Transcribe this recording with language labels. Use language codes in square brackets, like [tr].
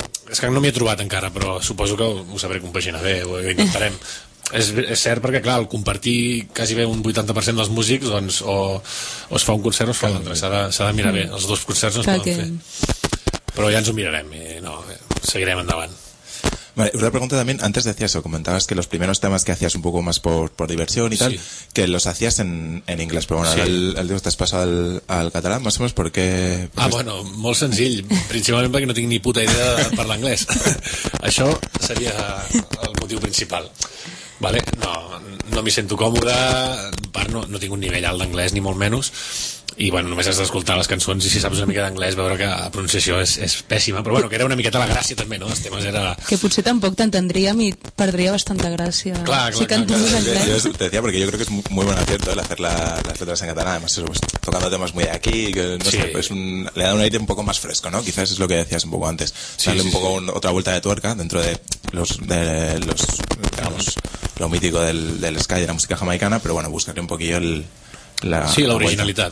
[ca] És que no m'hi he trobat encara, però suposo que ho sabré compaginar bé, ho intentarem. És cert, perquè clar, el compartir quasi bé un 80% dels músics, doncs, o es fa un concert o es fa l'altre, s'ha de mirar bé, els dos concerts no es poden fer. Però ja ens ho mirarem i no, seguirem endavant. [es] Vale, una pregunta también, antes decías o comentabas que los primeros temas que hacías un poco más por diversión y tal, sí, que los hacías en inglés, pero bueno, sí, el te has pasado al catalán, más o menos, porque... [ca] Ah, bueno, molt senzill, principalment perquè no tinc ni puta idea de parlar anglès. Això seria el motiu principal. Vale? No m'hi sento còmode, part no tinc un nivell alt d'anglès, ni molt menys, i bueno, només has d'escoltar les cançons i si saps una mica d'anglès veure que la pronunciació és pèssima, però bueno, que era una miqueta la gràcia també, no? Els temes era... Que potser tampoc t'entendríem i perdria bastanta gràcia. Clar, clar, si cantes en anglès. [es] Yo te decía porque yo creo que es muy buen acierto el hacer las letras en catalán, además eso, pues, tocando temas muy de aquí, que no sí, sé, pues le da un aire un poco más fresco, ¿no? Quizás es lo que decías un poco antes, darle sí, un poco otra vuelta de tuerca dentro de los digamos, lo mítico del ska y de la música jamaicana, pero bueno, buscaré un poquillo l'originalitat,